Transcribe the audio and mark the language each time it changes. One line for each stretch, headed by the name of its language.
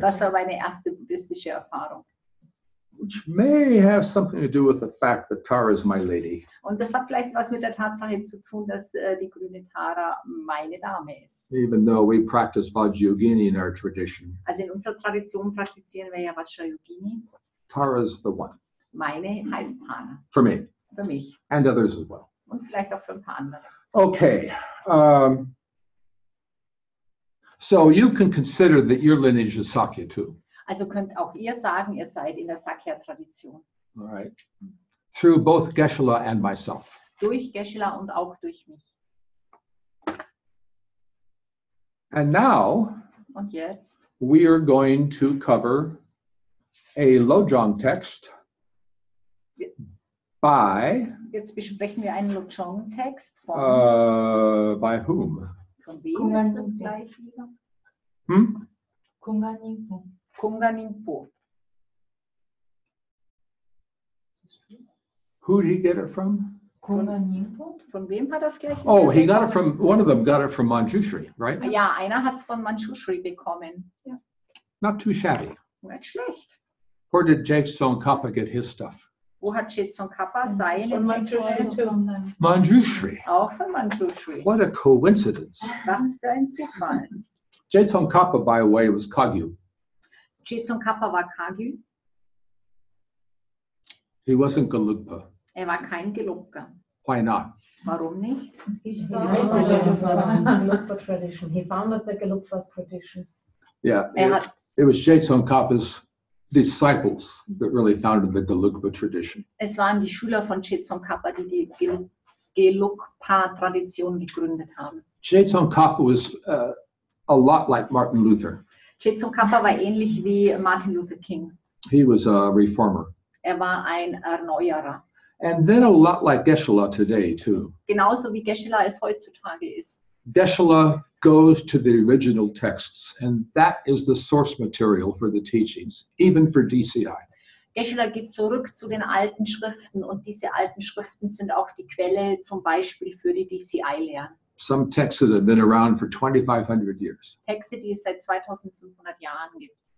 German: Das war meine erste buddhistische Erfahrung.
English: Which may have something to do with the fact that Tara is my lady.
German: Und das hat vielleicht was mit der Tatsache zu tun, dass die grüne Tara meine Dame ist.
English: Even though we practice Vajrayogini in our tradition.
German: Also in unserer Tradition praktizieren wir ja Vajrayogini.
English: Tara is the one.
German: Meine heißt Tara.
English: For me.
German: Für mich.
English: And others as well.
German: Und vielleicht auch für ein paar andere.
English: Okay. So you can consider that your lineage is Sakya too.
German: Also könnt auch ihr sagen, ihr seid in der Sakya-Tradition.
English: All right. Through both Geshe-la and myself.
German: Durch Geshe-la und auch durch mich.
English: And now.
German: Und jetzt.
English: We are going to cover a Lojong text By.
German: Jetzt besprechen wir einen Luzhong-Text.
English: By whom?
German: Von wem Kungan ist das gleich wieder? Hm? Kungan Ningpo. Kungan Ningpo.
English: Who did he get it from?
German: Kungan Ningpo. Von wem hat das gleich?
English: Oh, he got it from, one of them got it from Manjushri, right?
German: Ja, einer hat es von Manjushri bekommen.
English: Yeah. Not too shabby.
German: Nicht schlecht.
English: Where did Jake Tsongkhapa get his stuff?
German: Wo hat Tsongkhapa seine? Von Manjushri. Manjushri. Auch von Manjushri.
English: What a coincidence.
German: Was für ein Zufall.
English: Jake Tsongkhapa, by the way, was Kagyu.
German: Jake Tsongkhapa war Kagyu.
English: He wasn't Gelugpa.
German: Er war kein Gelugpa.
English: Why not?
German: Warum nicht?
English: He started the Gelugpa tradition. He founded the Gelugpa tradition. Yeah. It was Jake Tsongkhapa's disciples that really founded the Gelugpa tradition.
German: Es waren die Schüler von Jake Tsongkhapa, die die Gelugpa Tradition gegründet haben.
English: Jake Tsongkhapa was a lot like Martin Luther.
German: Jake Tsongkhapa war ähnlich wie Martin Luther King.
English: He was a reformer.
German: Er war ein Erneuerer.
English: And then a lot like Geshe-la today too.
German: Genauso wie Geshe-la es heutzutage ist.
English: Geshe-la goes to the original texts, and that is the source material for the teachings, even for DCI.
German: Geshe-la geht zurück zu den alten Schriften, und diese alten Schriften sind auch die Quelle zum Beispiel für die DCI-Lehren.
English: Some texts that have been around for 2,500 years.
German: Texte, die es seit 2,500 Jahren gibt.